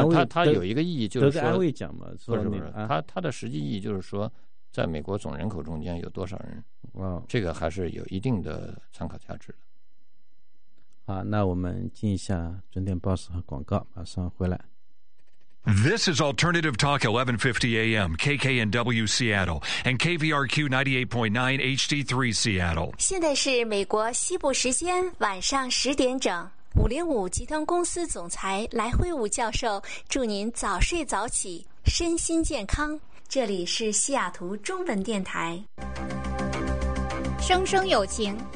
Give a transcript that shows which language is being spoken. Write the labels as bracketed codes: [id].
[zh] 他有一个意义就是说，得个安慰奖嘛，是不是，啊，他的实际意义就是说在美国总人口中间有多少人，哦，这个还是有一定的参考价值的。好，那我们进一下准点报时和广告，马上回来。 [en] This is Alternative Talk 1150 AM, KKNW Seattle, and KVRQ 98.9 HD3 Seattle. [zh] 现在是美国西部时间晚上10:00。 505集团公司总裁来辉武教授祝您早睡早起，身心健康。这里是西雅图中文电台。声声有情。